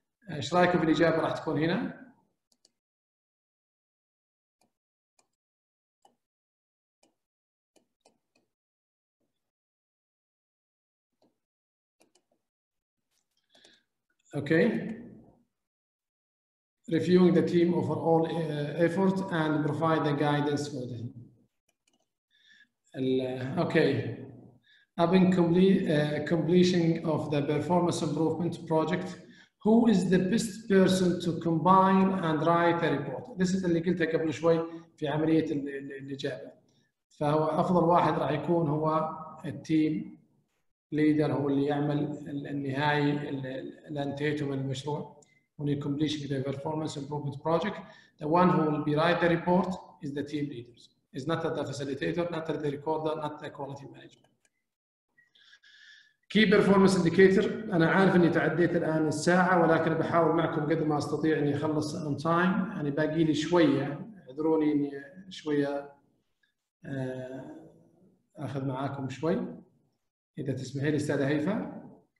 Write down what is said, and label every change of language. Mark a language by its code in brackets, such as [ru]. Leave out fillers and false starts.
[ar] ايش رايكم في الاجابه راح تكون هنا؟ اوكي. [en] Reviewing the team over all effort and provide the guidance for them. Okay. Having completion of the performance improvement project, who is the best person to compile and write the report? This is [ar] اللي قلته قبل شوي في عملية الإجابة. فهو أفضل واحد راح يكون هو التيم ليدر, هو اللي يعمل النهائي الانتيتو من المشروع. [en] When you completion the performance improvement project, the one who will be write the report is the team leaders. It's not the facilitator, not the recorder, not the quality manager. Key performance indicator. [ar] أنا عارف إني تعديت الآن الساعة ولكن بحاول معكم قدر ما أستطيع إني أخلص [en] on time. [ar] يعني باقي لي شوية, اعذروني إني شوية آخذ معاكم شوي إذا تسمحي لي أستاذة هيفاء.